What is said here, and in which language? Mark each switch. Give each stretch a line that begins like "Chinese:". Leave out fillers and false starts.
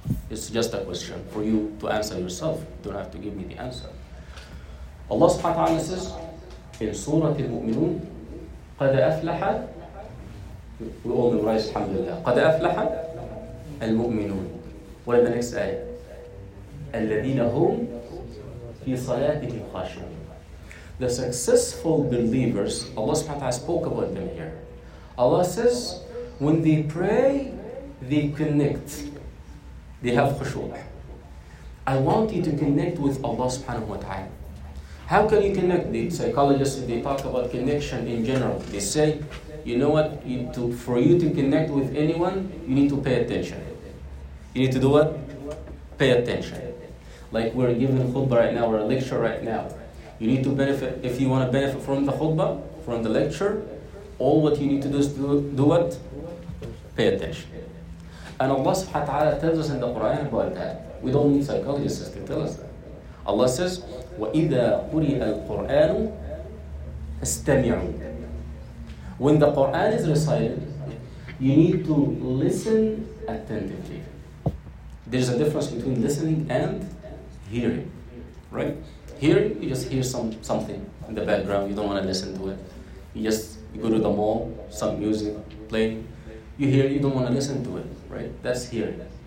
English: It's just a question for you to answer yourself. You don't have to give me the answer. Allah subhanahu wa ta'ala says in Surah Al-Mu'minun,
Arabic: قَدْ أَفْلَحَ.
English: We all memorize Alhamdulillah.
Arabic: قَدْ أَفْلَحَ Al-Mu'minun.
English: What is the next ayah?
Arabic: الَّذِينَ هُمْ فِي صَلَاتِهِمْ خَاشِعُونَ.
English: The successful believers, Allah subhanahu wa ta'ala spoke about them here. Allah says, when they pray, they connect. They have khushu'. I want you to connect with Allah subhanahu wa ta'ala. How can you connect? The psychologists, they talk about connection in general. They say, you know what? For you to connect with anyone, you need to pay attention. You need to do what? Pay attention. Like we're giving a khutbah right now, or a lecture right now. You need to benefit, if you want to benefit from the khutbah, from the lecture, all what you need to do is do what? Pay attention. And Allah subhanahu wa ta'ala tells us in the Quran about that. We don't need psychologists to tell us that. Allah says,
Arabic: وَإِذَا قُرِئَ الْقُرْآنُ اسْتَمِعُوا.
English: When the Quran is recited, you need to listen attentively. There's a difference between listening and hearing, right? Hearing, you just hear something in the background, you don't want to listen to it. You go to the mall, some music playing. You hear, you don't want to listen to it, right? That's hearing.